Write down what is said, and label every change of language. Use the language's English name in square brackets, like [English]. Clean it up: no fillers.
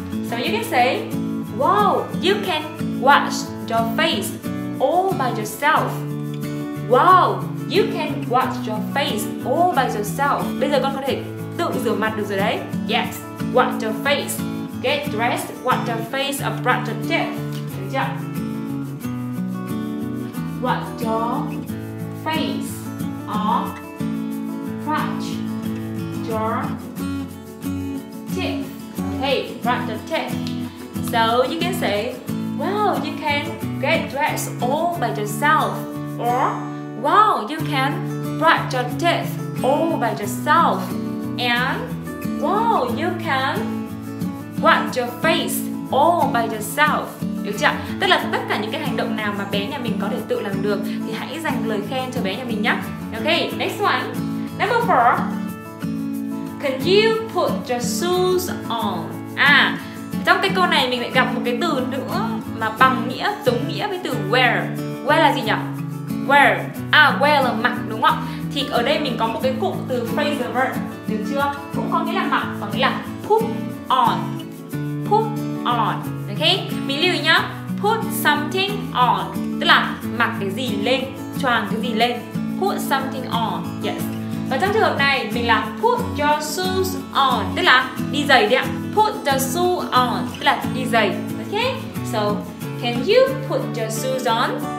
[English] So you can say wow, you can wash your face all by yourself. Wow, you can wash your face all by yourself. [Vietnamese] Bây giờ con có thể tự rửa mặt được rồi đấy. [English] Yes. wipe the face. Get dressed, wipe the face, and brush the teeth. [Vietnamese] Được chưa? [English] Wipe the face or brush your teeth. Hey, brush the teeth. So you can say, well, you can get dressed all by yourself. Or, well, you can brush your teeth all by yourself. And, well, you can wipe your face all by yourself. [Vietnamese] Được chưa? Tức là tất cả những cái hành động nào mà bé nhà mình có thể tự làm được thì hãy dành lời khen cho bé nhà mình nhé. [English] Ok, next one. Number 4. Can you put your shoes on? [Vietnamese] À, trong cái câu này mình lại gặp một cái từ nữa mà bằng nghĩa, giống nghĩa với từ wear. Wear là gì nhỉ? Wear. À, wear là mặc đúng không ạ? Thì ở đây mình có một cái cụm từ phrasal verb. Được chưa? Cũng có nghĩa là mặc, có nghĩa là put on. Put on. Ok, mình lưu ý nhá. Put something on, tức là mặc cái gì lên, choàng cái gì lên. Put something on, yes. Và trong trường hợp này, mình là put your shoes on, tức là đi giày đấy ạ. Put the shoes on, tức là đi giày. [English] Ok, so can you put your shoes on?